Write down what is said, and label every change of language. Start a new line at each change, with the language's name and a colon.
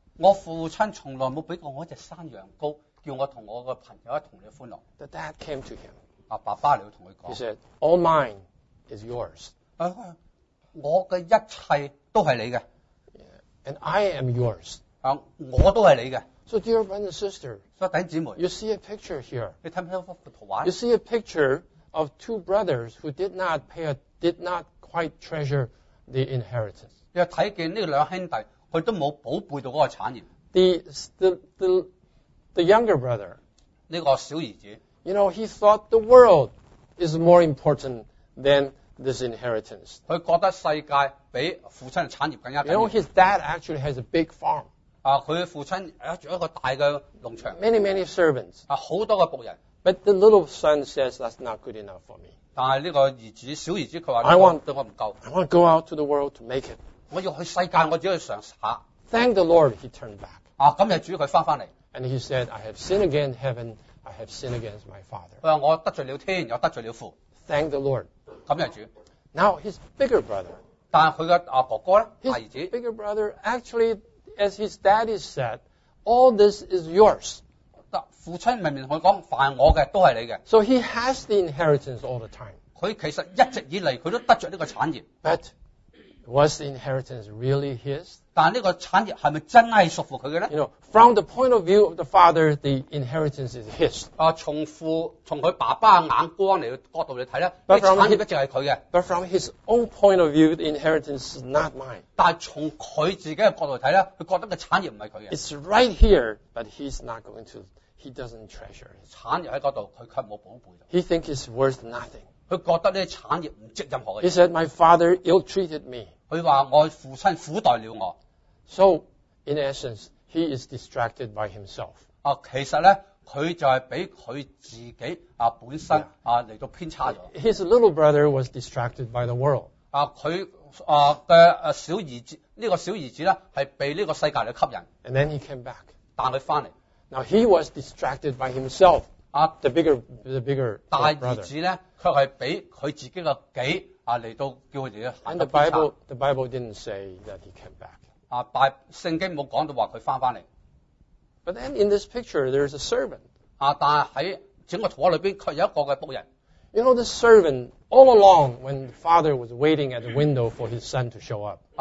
Chinese: 我父亲从来没给过我一只山羊羔, 叫我和我的朋友一同欢乐。
English: The dad came to him.
Chinese: 爸爸来跟他说。
English: He said, all mine is yours.
Chinese: 我的一切 都是你的,
English: and I am yours.
Chinese: 我都是你的.
English: So dear brothers and sisters,
Chinese: 所以弟兄姊妹,
English: you see a picture here.
Chinese: 你看不看图画?
English: You see a picture of two brothers who did not quite treasure the inheritance.
Chinese: 你看见这两兄弟, 他都没有宝贝到那个产业。
English: the younger brother.
Chinese: 这个小儿子,
English: you know, he thought the world is more important than this inheritance.
Chinese: 他觉得世界比父亲的产业更加。
English: You know, his dad actually has a big farm.
Chinese: 他父亲有一个大的农场。
English: Many, many servants.
Chinese: 很多的仆人。
English: But the little son says that's not good enough for me.
Chinese: 但是这个儿子,小儿子,他说这个,
English: I
Chinese: 我不够。
English: I want to go out to the world to make it.
Chinese: 我要去世界,我只要去尝试下。
English: Thank the Lord, he turned back.
Chinese: 今天主他回来。
English: And he said, I have sinned against heaven, I have sinned against my father.
Chinese: 他说我得罪了天,又得罪了父。
English: Thank the Lord.
Chinese: 感谢主。
English: Now, his bigger brother.
Chinese: 但是他的哥哥呢? 大儿子。
English: His bigger brother, actually, as his daddy said, all this is yours.
Chinese: 父亲明明跟他说凡我的都是你的。
English: So he has the inheritance all the time.
Chinese: 他其实一直以来他都得着这个产业。
English: But was the inheritance really his?
Chinese: 但这个产业是不是真的属乎他的呢?
English: You know, from the point of view of the father, the inheritance is his.
Chinese: 从他爸爸的眼光来角度来看，这个产业一直是他的。
English: But from his own point of view, the inheritance is not mine.
Chinese: 但从他自己的角度来看，他觉得这个产业不是他的。
English: It's right here, but he's not going to, he doesn't treasure it.
Chinese: 产业在那里，他却没有宝贝。
English: He thinks it's worth nothing.
Chinese: 他觉得这产业不值任何的。
English: He said, my father ill-treated me.
Chinese: 他说我父亲苦待了我。
English: So, in essence, he is distracted by himself.
Chinese: 其实呢他就是被他自己本身来到偏差了。
English: His little brother was distracted by the world.
Chinese: 他的小儿子，这个小儿子呢是被这个世界来吸引。
English: And then he came back.
Chinese: 但他回来。
English: Now he was distracted by himself. The bigger brother.
Chinese: 大儿子呢却是被他自己的己来到叫他们去行得偏差。
English: And the Bible didn't say that he came back.
Chinese: 圣经没讲到说他回来了。
English: But then in this picture, there's a servant.
Chinese: 但在整个图画里面却有一个仆人。
English: You know, the servant, all along, when the father was waiting at the window for his son to show up.